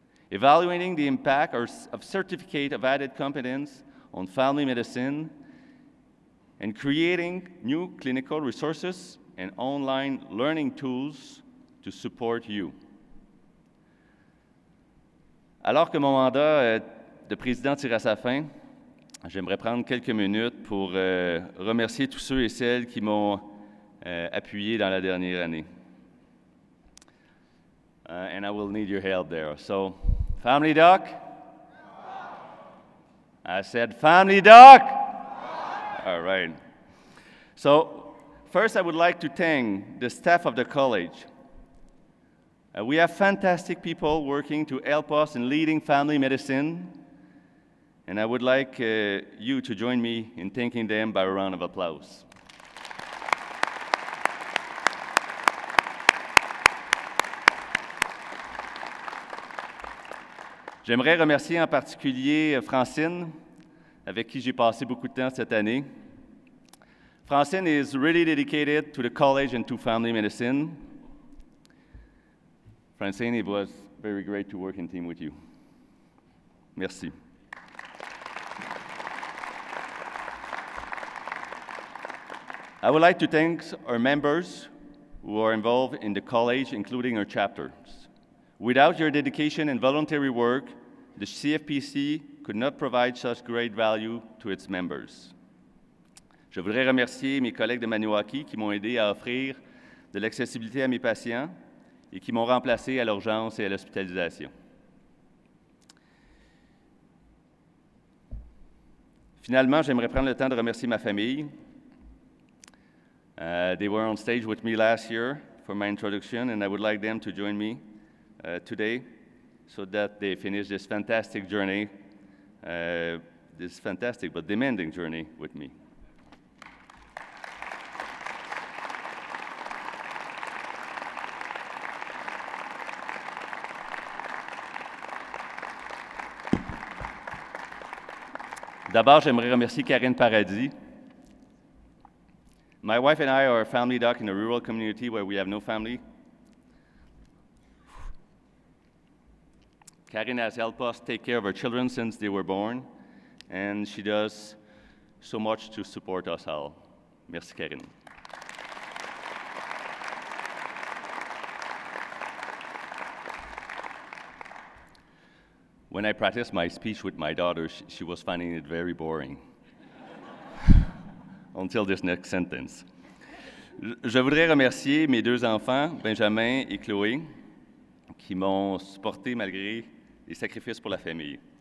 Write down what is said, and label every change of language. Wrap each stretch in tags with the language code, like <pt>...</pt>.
<en>Evaluating the impact of Certificate of Added Competence on family medicine and creating new clinical resources and online learning tools to support you.</en> <fr>Alors que mon mandat de président tire à sa fin, j'aimerais prendre quelques minutes pour remercier tous ceux et celles qui m'ont appuyé dans la dernière année.</fr> <en>And I will need your help there. So, family doc? I said family doc! All right. So, first I would like to thank the staff of the college. We have fantastic people working to help us in leading family medicine, and I would like you to join me in thanking them by a round of applause.</en> <fr>J'aimerais remercier en particulier Francine, avec qui j'ai passé beaucoup de temps cette année.</fr> <en>Francine is really dedicated to the college and to family medicine. Francine, it was very great to work in team with you. Merci. I would like to thank our members who are involved in the college, including our chapters. Without your dedication and voluntary work, the CFPC could not provide such great value to its members.</en> <fr>Je voudrais remercier mes collègues de Maniwaki qui m'ont aidé à offrir de l'accessibilité à mes patients et qui m'ont remplacé à l'urgence et à l'hospitalisation. Finalement, j'aimerais prendre le temps de remercier ma famille.</fr> <en>They were on stage with me last year for my introduction, and I would like them to join me today so that they finish this fantastic journey, this fantastic but demanding journey with me.</en> <fr>D'abord, j'aimerais remercier Karine Paradis.</fr> <en>My wife and I are a family doc in a rural community where we have no family. Karine has helped us take care of our children since they were born, and she does so much to support us all. Merci, Karine. When I practiced my speech with my daughter, she was finding it very boring. Until this next sentence.</en> <fr>Je voudrais remercier mes deux enfants, Benjamin et Chloé, qui m'ont supporté malgré les sacrifices pour la famille.</fr>